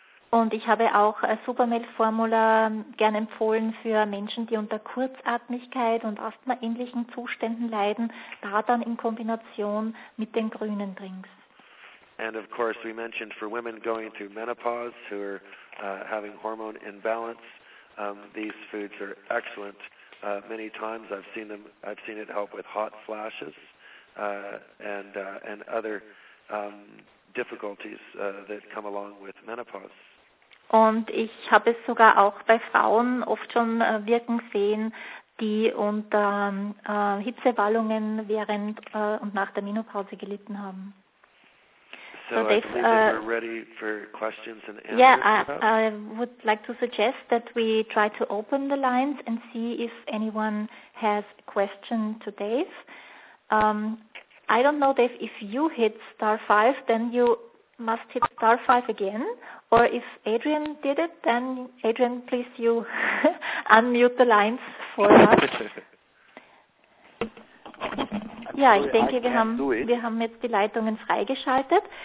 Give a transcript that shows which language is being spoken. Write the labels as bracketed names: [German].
[German] Und ich habe auch Supermeal Formula gern empfohlen für Menschen, die unter Kurzatmigkeit und asthmaähnlichen Zuständen leiden, da dann in Kombination mit den grünen Drinks. [English] And of course, we mentioned for women going through menopause who are having hormone imbalance. These foods are excellent. Many times I've seen them. I've seen it help with hot flashes and other difficulties that come along with menopause. [German] Und ich habe es sogar auch bei Frauen oft schon wirken sehen, die unter Hitzewallungen während und nach der Menopause gelitten haben. [English] So Dave, I believe that we're ready for questions and answers. Yeah, I would like to suggest that we try to open the lines and see if anyone has a question to Dave. I don't know, Dave, if you hit star 5, then you must hit star 5 again. Or if Adrian did it, then Adrian, please you unmute the lines for us. [German] Ja, ich denke, wir haben jetzt die Leitungen freigeschaltet.